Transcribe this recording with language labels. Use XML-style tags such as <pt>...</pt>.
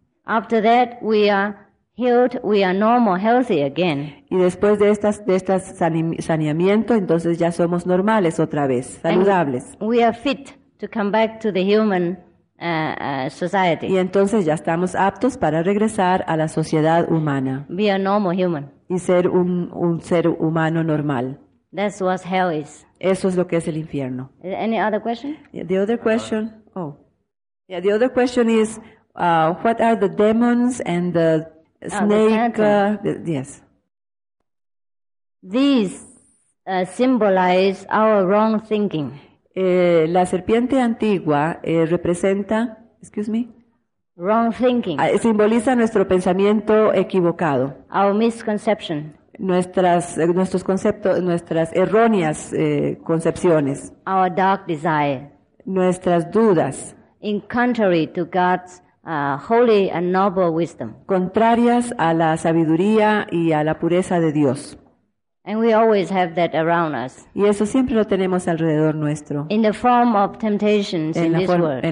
<en>After that, we are healed, we are normal, healthy again.</en> <es>Y después de estas saneamiento, entonces ya somos normales otra vez, saludables.</es> <en>And we are fit to come back to the human society.</en> <es>Y entonces ya estamos aptos para regresar a la sociedad humana.</es> <en>Be a normal human.</en> <es>Y ser un ser humano normal.</es> <en>That's what hell is.</en> <es>Eso es lo que es el infierno.</es> <en>Is there any other question? Yeah, the other question. Oh, yeah. The other question is, what are the demons and the snake? Yes. These symbolize our wrong thinking.</en> <es>La serpiente antigua representa.</es> <en>Excuse me. Wrong thinking.</en> <es>Simboliza nuestro pensamiento equivocado.</es> <en>Our misconception.</en> <es>Nuestras erróneas concepciones.</es> <en>Our dark desire.</en> <es>Nuestras dudas.</es> <en>In contrary to God's holy and noble wisdom.</en> <es>Contrarias a la sabiduría y a la pureza de Dios.</es> <en>And we always have that around us.</en> <es>Y eso siempre lo tenemos alrededor nuestro.</es> <en>In the form of temptations in this world.</en>